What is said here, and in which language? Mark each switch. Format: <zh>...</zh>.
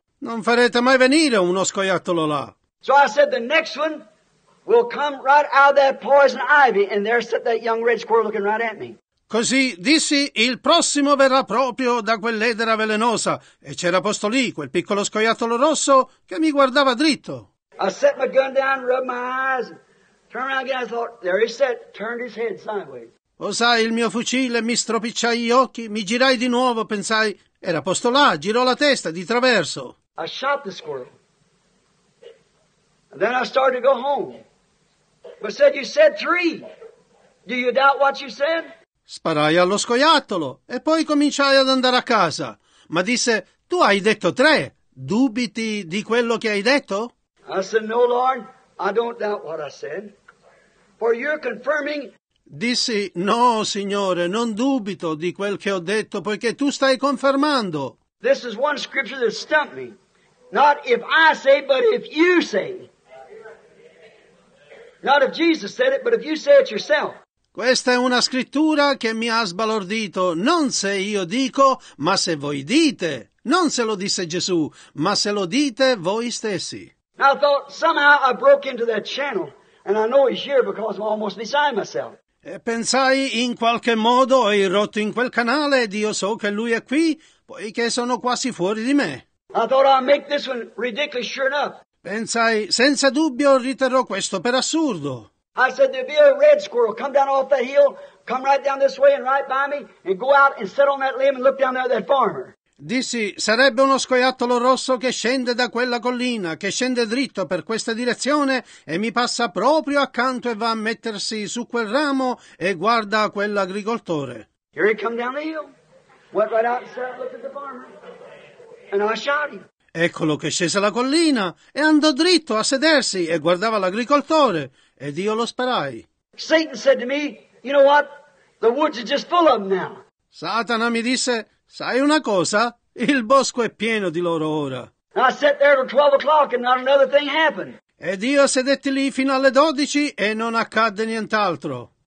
<it>Non farete mai venire uno scoiattolo là.</it> <en>So I said the next one will come right out of that poison ivy, and there sat that young red squirrel looking right at me.</en> <it>Così dissi, il prossimo verrà proprio da quell'edera velenosa, e c'era posto lì quel piccolo scoiattolo rosso che mi guardava dritto.</it> <en>I set my gun down, rubbed my eyes, turned around again. I thought, there he sat, turned his head sideways.</en> <it>Posai il mio fucile, mi stropicciai gli occhi, mi girai di nuovo, pensai, era posto là, girò la testa di traverso.</it> <en>I shot the squirrel. And then I started to go home. But said, you said three. Do you doubt what you said?</en> <it>Sparai allo scoiattolo e poi cominciai ad andare a casa. Ma disse, tu hai detto tre. Dubiti di quello che hai detto?</it> <en>I said, no, Lord, I don't doubt what I said. For you're confirming.</en> <it>Dissi, no, Signore, non dubito di quel che ho detto, poiché tu stai confermando.</it> <en>This is one scripture that stumped me. Not if I say, but if you say. Not if Jesus said it, but if you say it yourself.</en> <it>Questa è una scrittura che mi ha sbalordito. Non se io dico, ma se voi dite. Non se lo disse Gesù, ma se lo dite voi stessi.</it> <en>Now I thought, somehow I broke into that channel, and I know he's here because I'm almost beside myself.</en> <it>E pensai, in qualche modo ho irrotto in quel canale ed io so che lui è qui, poiché sono quasi fuori di me.</it> <en>I thought I'd make this one ridiculous, sure enough.</en> <it>Pensai, senza dubbio riterrò questo per assurdo.</it> <en>I said, there'd be a red squirrel, come down off that hill, come right down this way and right by me, and go out and sit on that limb and look down there at that farmer.</en> <it>Dissi, sarebbe uno scoiattolo rosso che scende da quella collina, che scende dritto per questa direzione e mi passa proprio accanto e va a mettersi su quel ramo e guarda quell'agricoltore.</it> <en>Here he come down the hill, went right out and sat up, looked at the farmer, and I shot him.</en> <it>Eccolo che scese la collina e andò dritto a sedersi e guardava l'agricoltore, ed io lo sparai.</it> <en>Satan said to me, you know what, the woods are just full of them now.</en> <it>Satana mi disse, sai una cosa? Il bosco è pieno di loro ora.</it> <en>And I sat there till 12 o'clock and not another thing happened.</en> <it>Ed io sedetti lì fino alle 12 e non accadde nient'altro.</it>